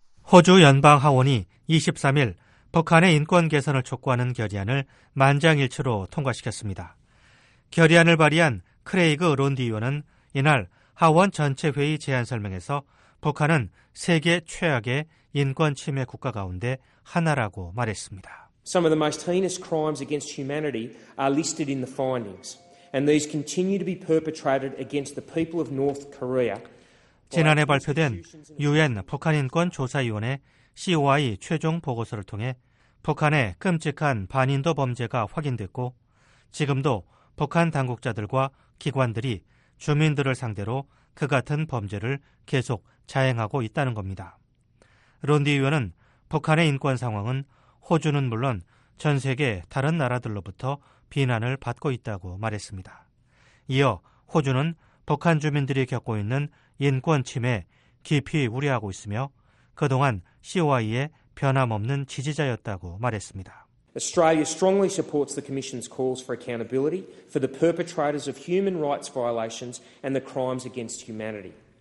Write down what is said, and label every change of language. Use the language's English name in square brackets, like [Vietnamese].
[Korean] 호주 연방 하원이 23일 북한의 인권 개선을 촉구하는 결의안을 만장일치로 통과시켰습니다. 결의안을 발의한 크레이그 론디 의원은 이날 하원 전체 회의 제안 설명에서 북한은 세계 최악의 인권 침해 국가 가운데 하나라고 말했습니다. [English] Some of the most heinous crimes against humanity are listed in the findings. And these continue to be perpetrated against the people of North Korea. [Korean] 지난해 발표된 UN 북한인권조사위원회 COI 최종 보고서를 통해 북한의 끔찍한 반인도 범죄가 확인됐고 지금도 북한 당국자들과 기관들이 주민들을 상대로 그 같은 범죄를 계속 자행하고 있다는 겁니다. 론디 의원은 북한의 인권 상황은 호주는 물론 전 세계 다른 나라들로부터 비난을 받고 있다고 말했습니다. 이어 호주는 북한 주민들이 겪고 있는 인권 침해 깊이 우려하고 있으며 그동안 COI의 변함없는 지지자였다고 말했습니다. [English] Australia strongly supports the Commission's calls for accountability for the perpetrators of human rights violations and the crimes against humanity.